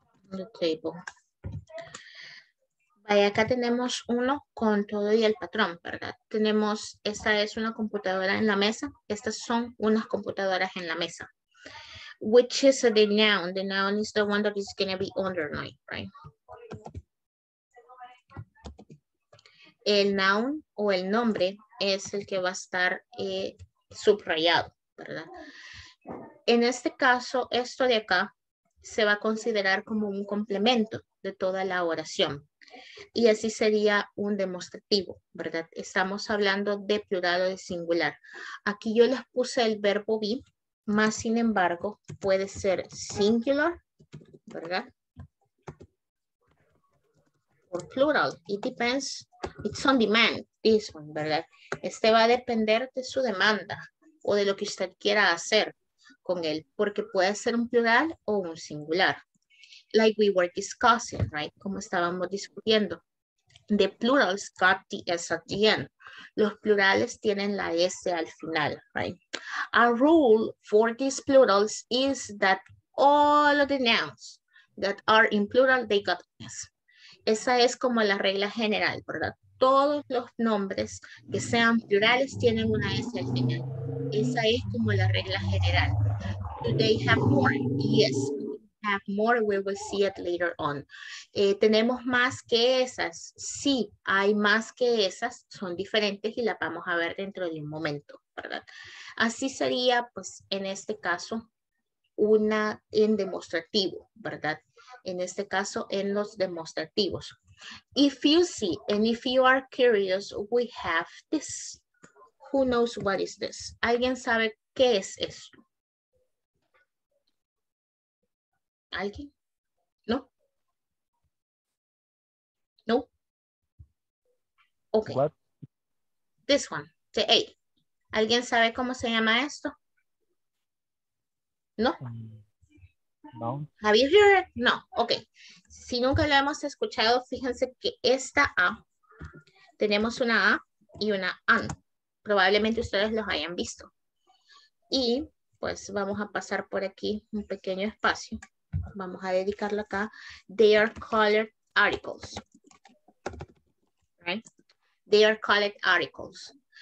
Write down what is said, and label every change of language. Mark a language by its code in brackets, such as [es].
[en] The table. [es] Vaya, acá tenemos uno con todo y el patrón, ¿verdad? Tenemos, esta es una computadora en la mesa. Estas son unas computadoras en la mesa. [en] Which is the noun? The noun is the one that is going to be underneath, right? [es] El noun o el nombre es el que va a estar subrayado, ¿verdad? En este caso, esto de acá se va a considerar como un complemento de toda la oración. Y así sería un demostrativo, ¿verdad? Estamos hablando de plural o de singular. Aquí yo les puse el verbo be, más sin embargo, puede ser singular, ¿verdad? O plural. [en] It depends. It's on demand, this one, ¿verdad? [es] Este va a depender de su demanda o de lo que usted quiera hacer con él, porque puede ser un plural o un singular. [en] Like we were discussing, right? [es] Como estábamos discutiendo. [en] The plurals got the S at the end. [es] Los plurales tienen la S al final, [en] right? A rule for these plurals is that all of the nouns that are in plural, they got S. [es] Esa es como la regla general, ¿verdad? Todos los nombres que sean plurales tienen una S al final. Esa es como la regla general. [en] Do they have more? Yes. Have more, we will see it later on. [es] Tenemos más que esas. Sí, hay más que esas, son diferentes y las vamos a ver dentro de un momento, ¿verdad? Así sería, pues, en este caso, una en demostrativo, ¿verdad? En este caso, en los demostrativos. [en] If you see, and if you are curious, we have this. Who knows what is this? [es] ¿Alguien sabe qué es esto? ¿Alguien? ¿No? ¿No? Ok. [en] What? This one, the A. [es] ¿Alguien sabe cómo se llama esto? ¿No? No. [en] ¿Have you heard it? No. Ok. [es] Si nunca lo hemos escuchado, fíjense que esta A, tenemos una A y una AN. Probablemente ustedes los hayan visto. Y pues vamos a pasar por aquí un pequeño espacio. Vamos a dedicarlo acá. [en] They are colored articles. Right? They are colored articles.